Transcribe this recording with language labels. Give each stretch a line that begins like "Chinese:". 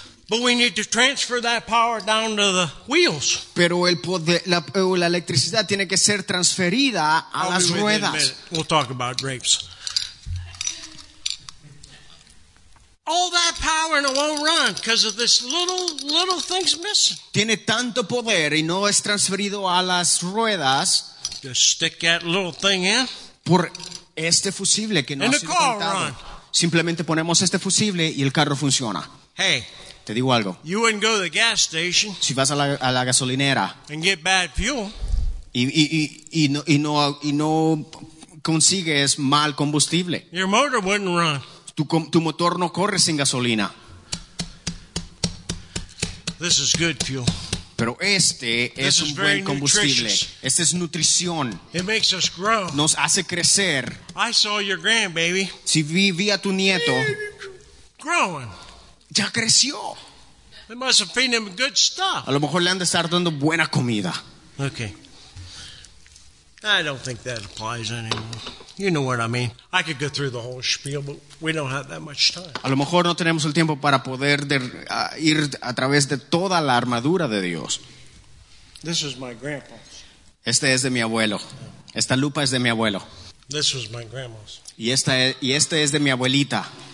English: But we need to transfer that power down to the wheels.
Spanish: Pero el poder, la electricidad tiene que ser transferida a las ruedas.
English: We'll talk about grapes. All that power and it won't run because of this little thing's missing.
Spanish: Tiene tanto poder y no es transferido a las ruedas.
English: Just stick that little thing in.
Spanish: Por este fusible que no
English: and the car will run.
Spanish: Simplemente ponemos este fusible y el carro funciona.
English: Hey,
Spanish: te digo algo.
English: You wouldn't go to the gas station.
Spanish: Si vas a la gasolinera.
English: And get bad fuel.
Spanish: Y no consigues mal combustible.
English: Your motor wouldn't run.
Spanish: Tu motor no corre sin gasolina.
English: This is good fuel.
Spanish: Pero este es un buen combustible. Este es nutrición.
English: It makes us grow.
Spanish: Nos hace crecer.
English: I saw your grandbaby.
Spanish: Si vi a tu nieto.
English: Growing.
Spanish: Ya creció.
English: They must have feed him good stuff.
Spanish: A lo mejor le han de estar dando buena comida.
English: Okay. I don't think that applies anymore. You know what I mean. I could go through the whole spiel, but we don't have that much time.
Spanish: A lo mejor no tenemos el tiempo para poder ir a través de toda la armadura de Dios.
English: This is my grandpa's.
Spanish: Este es de mi abuelo. Esta lupa es de mi abuelo.
English: This was my grandma's.
Spanish: Y este es de mi abuelita.